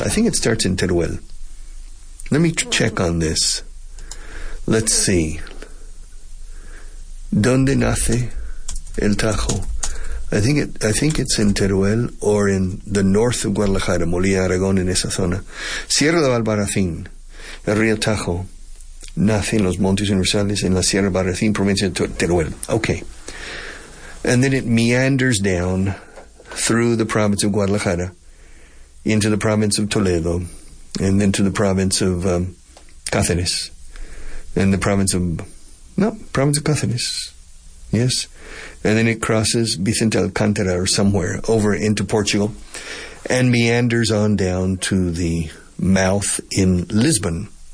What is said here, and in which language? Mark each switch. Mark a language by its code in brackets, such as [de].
[en] I think it starts in Teruel. Let me check on this. Let's see. [es] ¿Dónde nace el Tajo? [en] I think it's in Teruel or in the north of Guadalajara, Molina Aragón, in [es] esa zona. Sierra de Albarracín, el río Tajo, nace en los Montes Universales en la Sierra de Albarracín, provincia de Teruel. [en] Okay. And then it meanders down through the province of Guadalajara into the province of Toledo and then to the province of Cáceres and the province of... No, province of Cáceres. Yes. And then it crosses Vicente Alcántara or somewhere over into Portugal and meanders on down to the mouth in Lisbon.